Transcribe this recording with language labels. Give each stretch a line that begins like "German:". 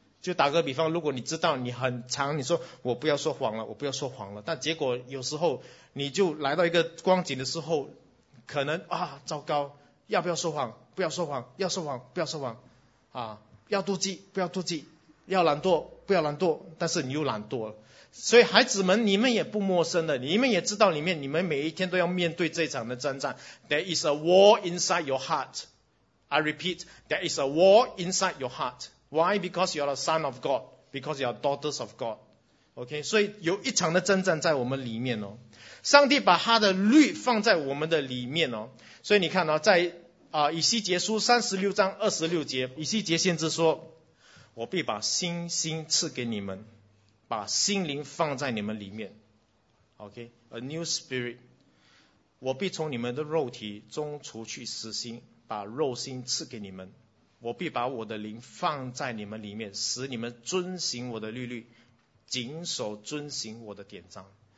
Chinese: 就打个比方，如果你知道你很长，你说我不要说谎了，我不要说谎了，但结果有时候你就来到一个光景的时候，可能啊糟糕，要不要说谎，不要说谎，要说谎不要说谎啊，要妒忌不要妒忌，要懒惰不要懒惰，但是你又懒惰了。所以孩子们，你们也不陌生的，你们也知道里面你们每一天都要面对这场的征战。
English: There is a war inside your heart. I repeat, there is a war inside your heart. Why? Because you are a son of God. Because you are daughters of God.
Chinese: OK, 所以有一场的征战在我们里面哦。上帝把他的律放在我们的里面哦。所以你看哦，在以西结书36章26节，以西结先知说，我必把新心赐给你们，把心灵放在你们里面 ，OK，
English: a new spirit，
Chinese: 我必从你们的肉体中除去死心，把肉心赐给你们，我必把我的灵放在你们里面，使你们遵行我的律例，谨守遵行我的典章。